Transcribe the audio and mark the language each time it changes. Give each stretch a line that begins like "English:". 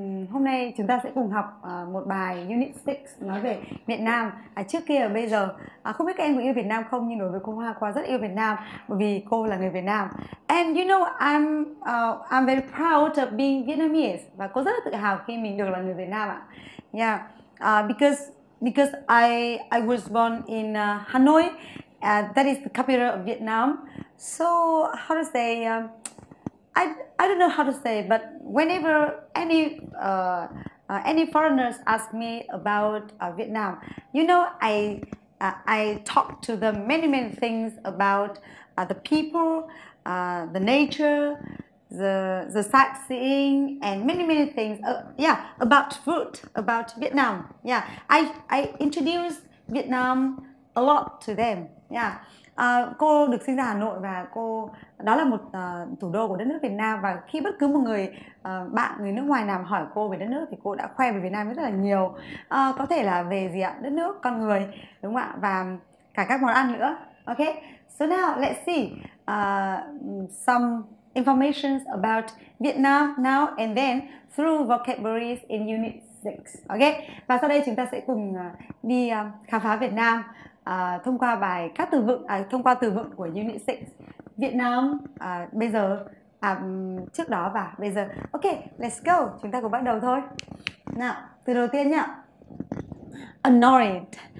Vietnamese: Hôm nay chúng ta sẽ cùng học một bài Unit 6 nói về Việt Nam. Trước kia và bây giờ, không biết các em có yêu Việt Nam không, nhưng đối với cô Hoa, Hoa rất yêu Việt Nam bởi vì cô là người Việt Nam.
English: And you know, I'm very proud of being Vietnamese.
Vietnamese: Và cô rất là tự hào khi mình được là người Việt Nam ạ.
English: Yeah, because I was born in Hanoi, that is the capital of Vietnam. So how to say? I don't know how to say, but whenever any foreigners ask me about Vietnam, you know, I talk to them many things about the people, the nature, the sightseeing, and many things. Yeah, about food, about Vietnam. Yeah, I introduce Vietnam a lot to them. Yeah.
Vietnamese: Cô được sinh ra Hà Nội và cô đó là một thủ đô của đất nước Việt Nam, và khi bất cứ một người bạn người nước ngoài nào hỏi cô về đất nước thì cô đã khoe về Việt Nam rất là nhiều, có thể là về gì ạ, đất nước, con người, đúng không ạ, và cả các món ăn nữa.
English: Ok, so now let's see some informations about Vietnam now and then through vocabularies in Unit 6.
Vietnamese: Ok, và sau đây chúng ta sẽ cùng đi khám phá Việt Nam thông qua bài các từ vựng, thông qua từ vựng của Unit 6 Việt Nam bây giờ, trước đó và bây giờ.
English: Ok, let's go,
Vietnamese: chúng ta cùng bắt đầu thôi. Nào, từ đầu tiên nhá. Annoyed.